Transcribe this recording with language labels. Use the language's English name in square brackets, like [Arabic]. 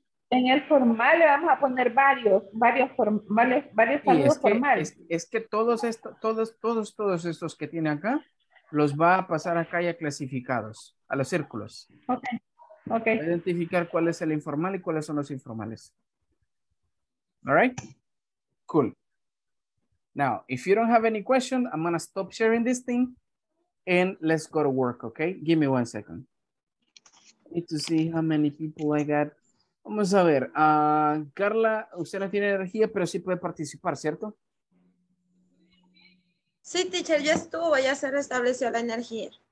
[Spanish] En el formal le vamos a poner varios saludos es que, formales. Es que todos estos que tiene acá, los va a pasar acá ya clasificados, a los círculos. [English] Okay. [Spanish] Va a identificar cuál es el informal y cuáles son los informales. [English] All right? Cool. Now, if you don't have any question, I'm going to stop sharing this thing and let's go to work, okay? Give me one second. Need to see how many people I got. [Spanish] Vamos a ver, Carla, usted no tiene energía, pero sí puede participar, ¿cierto? Sí, teacher, ya estuvo, ya se restableció la energía.